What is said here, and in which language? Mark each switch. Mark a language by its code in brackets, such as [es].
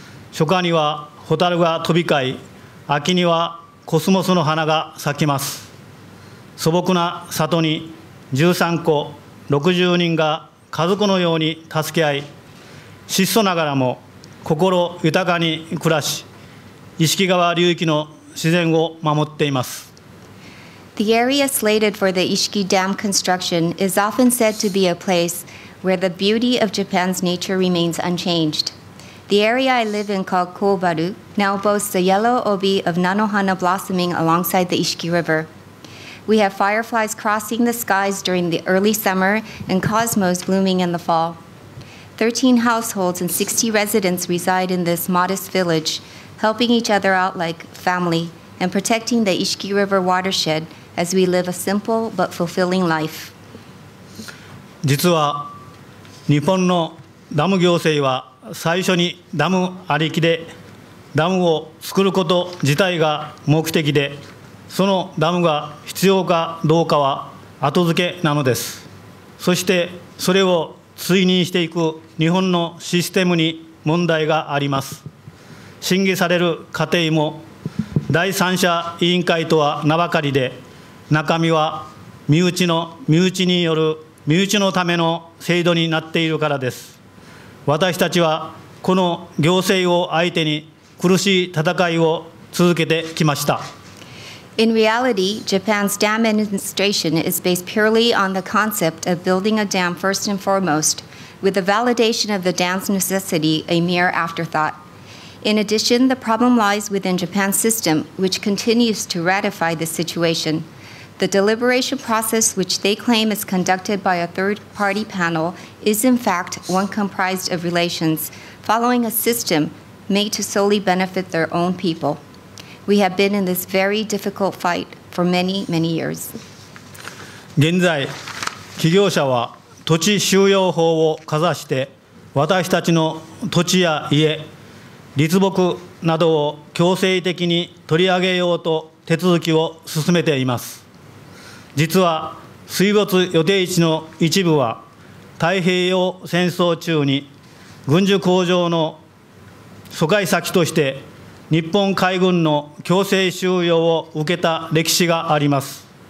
[ja] 初夏にはホタルが飛び交い、秋にはコスモスの花が咲きます。素朴な里に13戸60人が家族のように助け合い、質素ながらも心豊かに暮らし、石木川流域の自然を守っています。 [en] The area slated for the Ishiki Dam construction is often said to be a place where the beauty of Japan's nature remains unchanged. The area I live in, called Kobaru, now boasts a yellow obi of nanohana blossoming alongside the Ishiki River. We have fireflies crossing the skies during the early summer and cosmos blooming in the fall. 13 households and 60 residents reside in this modest village, helping each other out like family and protecting the Ishiki River watershed as we live a simple but fulfilling life. [ja] 実は日本のダム行政は最初にダムありきでダムを作ること自体が目的で、そのダムが必要かどうかは後付けなのです。そしてそれを追認していく日本のシステムに問題があります。審議される過程も第三者委員会とは名ばかりで、中身は身内による身内のための制度になっているからです。私たちはこの行政を相手に苦しい戦いを続けてきました。 [en] In reality, Japan's dam administration is based purely on the concept of building a dam first and foremost, with the validation of the dam's necessity a mere afterthought. In addition, the problem lies within Japan's system, which continues to ratify the situation. The deliberation process, which they claim is conducted by a third-party panel, is in fact one comprised of relations, following a system made to solely benefit their own people. We have been in this very difficult fight for many, many years. [ja] 現在、企業者は土地収用法をかざして、私たちの土地や家、立木などを強制的に取り上げようと手続きを進めています。実は、水没予定地の一部は、太平洋戦争中に軍需工場の疎開先として、日本海軍の強制収用を受けた歴史があります。